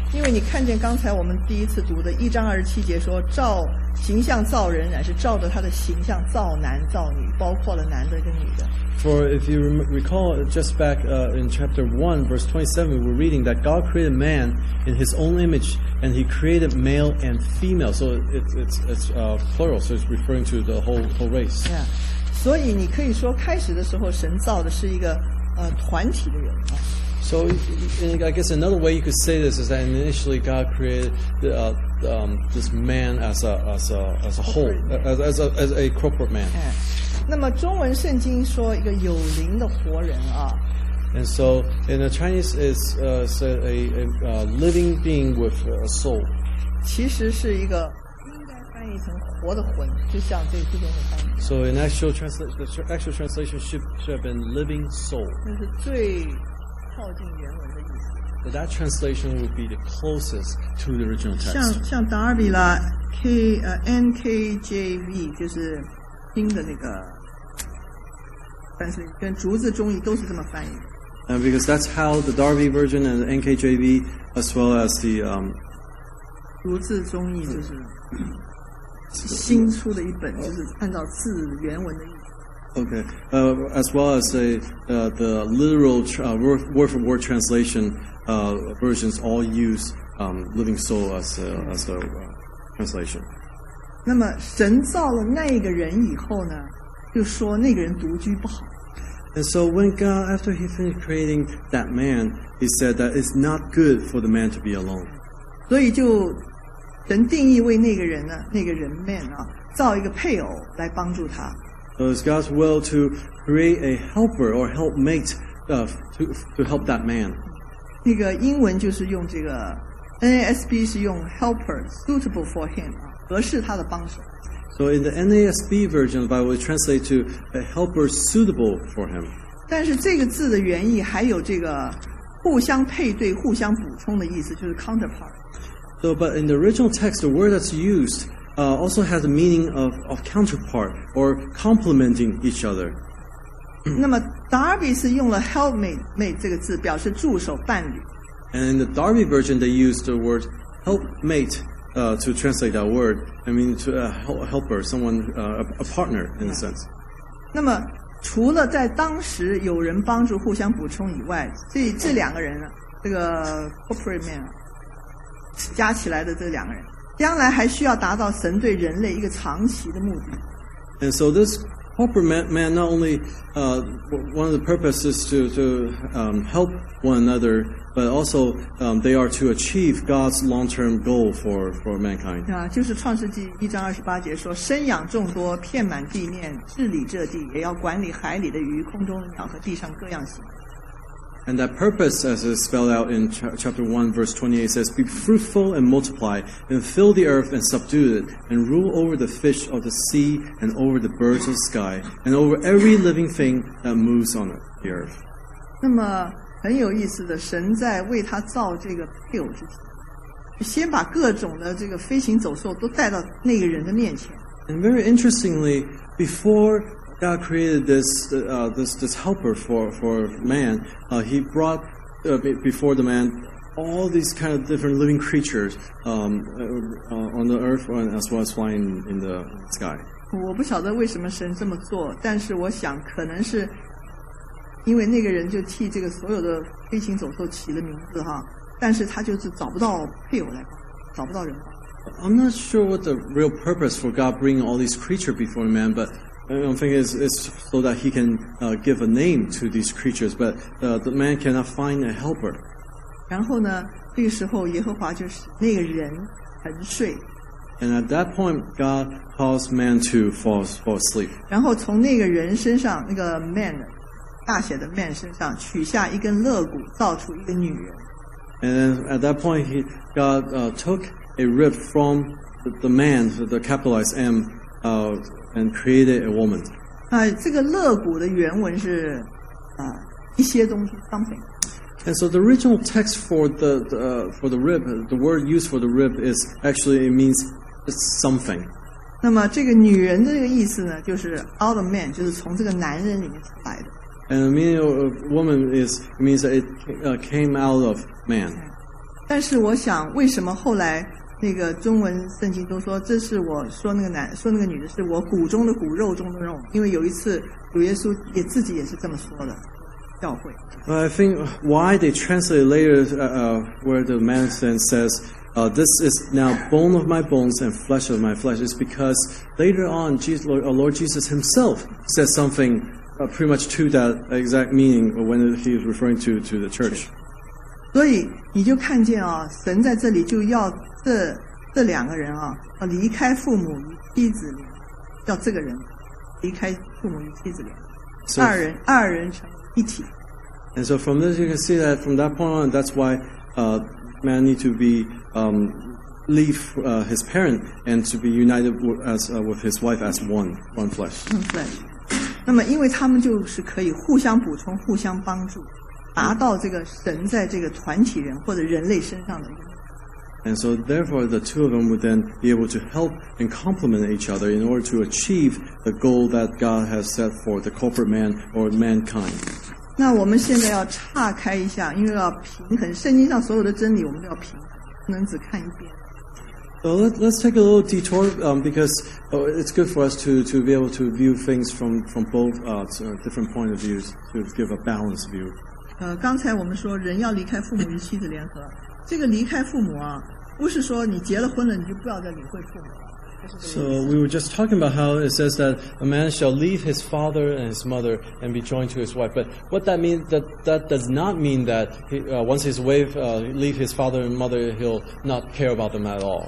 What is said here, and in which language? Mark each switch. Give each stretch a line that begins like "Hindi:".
Chinese: 因为你看见刚才我们第一次读的一章二十七节说，照形象造人，乃是照着他的形象造男造女，包括了男的跟女的。
English: For if you recall, just back in chapter 1, verse 27, we're reading that God created man in his own image, and he created male and female. So it's plural, so it's referring to the whole race. Yeah.
Chinese: 所以你可以说开始的时候神造的是一个团体的人。
English: So I guess another way you could say this is that initially God created this man as a whole, as a corporate man. Okay.
Chinese: 那么中文圣经说一个有灵的活人啊。
English: And so in the Chinese is a living being with a soul.
Chinese: 其实是一个应该翻译成活的魂，就像这这边的翻译。
English: So in actual translation should have been living soul.
Chinese: 那是最靠近原文的意思。
English: But that translation would be the closest to the original text.
Chinese: 像 Darby 啦 NKJV 就是新的那个，但是跟竹子中译都是这么翻译的。
English: And because that's how the Darby version and the NKJV, as well as the
Chinese: 竹子中译就是。新出的一本，就是按照字原文的意思。
English: Okay, as well as the literal word for word translation versions all use "living soul" as a translation.
Chinese: 那么神造了那个人以后呢，就说那个人独居不好。
English: And so when God, after He finished creating that man, He said that it's not good for the man to be alone.
Chinese: 所以就。神定义为那个人呢，那个人 man 啊，造一个配偶来帮助他。
English: So it's God's will to create a helper or helpmate to help that man.
Chinese: 那个英文就是用这个 NASB 是用
English: helper suitable for him
Chinese: 啊，合适他的帮手。
English: So in the NASB version, the Bible translates to a helper suitable for him.
Chinese: 但是这个字的原意还有这个互相配对、互相补充的意思，就是 counterpart。
English: So, but in the original text, the word that's used also has the meaning of counterpart or complementing each other.
Chinese: 那么 Darby 是用了 helpmate 这个字表示助手伴侣。
English: And in the Darby version, they used the word helpmate to translate that word. I mean, to a helper, someone, a partner in a sense.
Chinese: 那么除了在当时有人帮助互相补充以外，这两个人，这个
English: corporate man。
Chinese: 加起来的这两个人，将来还需要达到神对人类一个长期的目的。
English: And so this corporate man not only one of the purposes to help one another, but also they are to achieve God's long-term goal for mankind.
Chinese: 啊，就是创世纪一章二十八节说，生养众多，遍满地面，治理这地，也要管理海里的鱼、空中的鸟和地上各样行。
English: And that purpose, as is spelled out in chapter 1, verse 28, says, Be fruitful and multiply, and fill the earth and subdue it, and rule over the fish of the sea, and over the birds of the sky, and over every living thing that moves on the earth.
Chinese: 那么很有意思的，神在为他造这个配偶之前，先把各种的这个飞行走兽都带到那个人的面前。
English: And very interestingly, before God created this, this helper for man. He brought before the man all these kind of different living creatures on the earth as well as flying in the sky.
Chinese: 我不晓得为什么神这么做，但是我想可能是因为那个人就替这个所有的飞行走兽起了名字哈，但是他就是找不到配偶来帮，找不到人帮。
English: I'm not sure what the real purpose for God bringing all these creatures before man, but I'm thinking it's so that he can give a name to these creatures, but the man cannot find a helper.
Chinese: 然后呢，那个时候耶和华就是那个人沉睡。
English: And at that point, God caused man to fall asleep.
Chinese: 然后从那个人身上，那个 man, 大写的 man 身上取下一根肋骨，造出一个女人。
English: And at that point, God took a rib from the man, the capitalized M, and created a woman.
Chinese: 这个肋骨的原文是一些东西 something.
English: And so the original text for the rib, the word used for the rib is actually it means it's something.
Chinese: 那么这个女人的这个意思呢，就是
English: out of man,
Chinese: 就是从这个男人里面出来的。
English: And the meaning of woman is it means that it came out of man.
Chinese: 但是我想，为什么后来那个中文圣经都说这是我说那个男说那个女的是我骨中的骨肉中的肉，因为有一次主耶稣也自己也是这么说的教会。
English: Well, I think why they translate later where the man then says this is now bone of my bones and flesh of my flesh is because later on Jesus, Lord Jesus himself says something pretty much to that exact meaning when he is referring to the church.
Chinese: 所以你就看见啊，神在这里就要这两个人啊，离开父母与妻子连，叫这个人离开父母与妻子连，
English: so,
Chinese: 二人成一体。
English: And so from this you can see that from that point on, that's why man need to be leave his parent and to be united as with his wife as one flesh.
Chinese: 对。那么因为他们就是可以互相补充、互相帮助，达到这个神在这个团体人或者人类身上的。
English: And so therefore the two of them would then be able to help and complement each other in order to achieve the goal that God has set for the corporate man or mankind.
Chinese: 那我们现在要岔开一下，因为要平衡圣经上所有的真理，我们都要平衡，不能只看一边。
English: So let's take a little detour because it's good for us to be able to view things from both different point of views to give a balanced view.
Chinese: 刚才我们说人要离开父母与妻子联合，这个离开父母啊，不是说你结了婚了你就不要再理会父母。
English: So we were just talking about how it says that a man shall leave his father and his mother and be joined to his wife. But what that means, that does not mean that he, once his wife leave his father and mother, he'll not care about them at all.